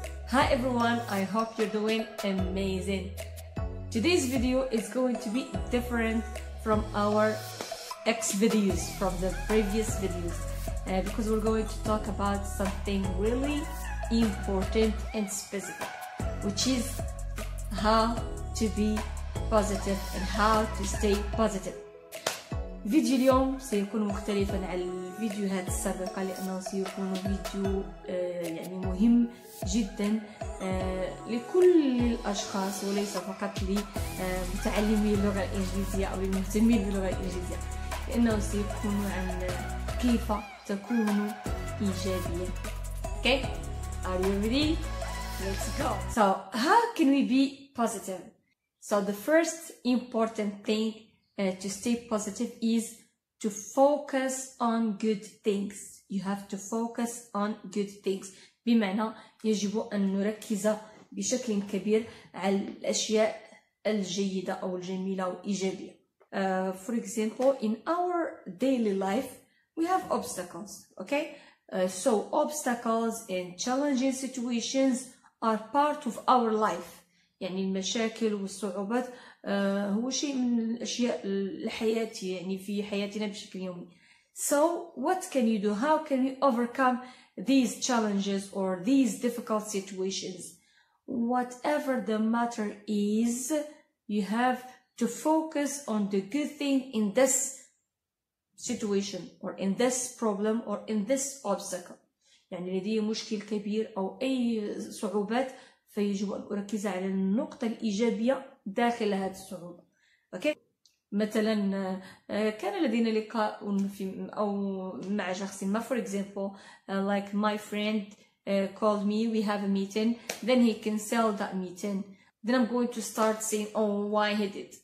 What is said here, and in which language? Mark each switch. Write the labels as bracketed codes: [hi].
[en] Hi everyone, I hope you're doing amazing. Today's video is going to be different from our X videos, from the previous videos, because we're going to talk about something really important and specific, which is how to be positive and how to stay positive. [ar] فيديو اليوم سيكون مختلفا عن الفيديوهات السابقة لأنه سيكون فيديو يعني مهم جدا لكل الأشخاص وليس فقط لمتعلمي اللغة الإنجليزية أو المهتمين باللغة الإنجليزية، لأنه سيكون عن كيف تكون إيجابيا. [en] Okay, are you ready? Let's go. So how can we be positive? So the first important thing to stay positive is to focus on good things. You have to focus on good things. [ar] بمعنى يجب أن نركز بشكل كبير على الأشياء الجيدة أو الجميلة أو إيجابية. [en] For example, in our daily life, we have obstacles. Okay, so obstacles and challenging situations are part of our life. [ar] يعني المشاكل والصعوبات هو شيء من الأشياء الحياتية يعني في حياتنا بشكل يومي. [en] So what can you do? How can you overcome these challenges or these difficult situations? Whatever the matter is, you have to focus on the good thing in this situation or in this problem or in this obstacle. [ar] يعني لدي مشكل كبير أو أي صعوبات فيجب أن أركز على النقطة الإيجابية داخل هذه الصعوبة. أوكي؟ مثلا كان لدينا لقاء في أو مع شخص ما. [en] For example, like my friend called me, we have a meeting, then he canceled that meeting. Then I'm going to start saying, oh, why he did?